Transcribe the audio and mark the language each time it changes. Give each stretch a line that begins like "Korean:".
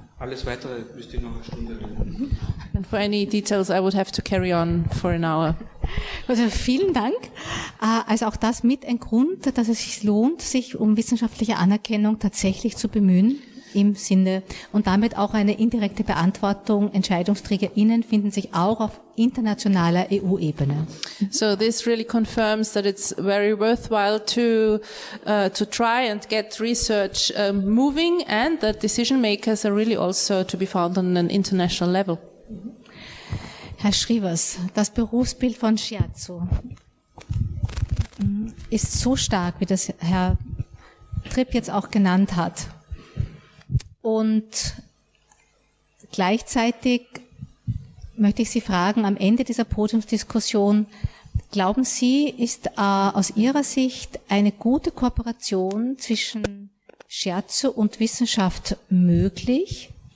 German: Alles weitere müsste ich noch eine Stunde reden.
English: And for any details I would have to carry on for an hour.
German: Also vielen Dank. Also auch das mit ein Grund, dass es sich lohnt, sich um wissenschaftliche Anerkennung tatsächlich zu bemühen. Im Sinne und damit auch eine indirekte Beantwortung. EntscheidungsträgerInnen finden sich auch auf internationaler EU-Ebene.
English: So this really confirms that it's very worthwhile to try and get research moving and that decision makers are really also to be found on an international level.
German: Herr Schrievers, das Berufsbild von Shiatsu ist so stark, wie das Herr Tripp jetzt auch genannt hat. Und gleichzeitig möchte ich Sie fragen, am Ende dieser Podiumsdiskussion, glauben Sie, ist aus Ihrer Sicht eine gute Kooperation zwischen Scherzo und Wissenschaft möglich?